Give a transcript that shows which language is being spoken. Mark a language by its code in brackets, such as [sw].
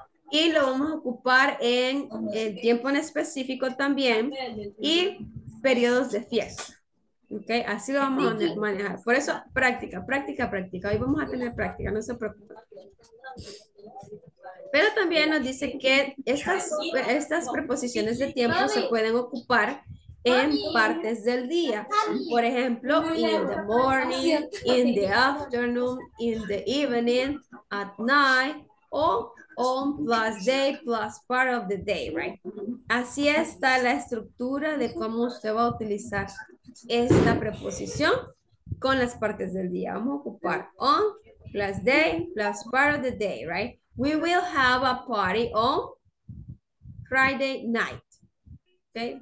[es] Y lo vamos a ocupar en el tiempo en específico también y periodos de fiesta. ¿Okay? Así lo vamos a manejar. Por eso, práctica, práctica, práctica. Hoy vamos a tener práctica, no se preocupen. Pero también nos dice que estas preposiciones de tiempo se pueden ocupar en partes del día. Por ejemplo, [en] in the morning, in the afternoon, in the evening, at night, o on plus day plus part of the day, right? [es] Así está la estructura de cómo usted va a utilizar esta preposición con las partes del día. Vamos a ocupar [en] on plus day plus part of the day, right? We will have a party on Friday night. Okay?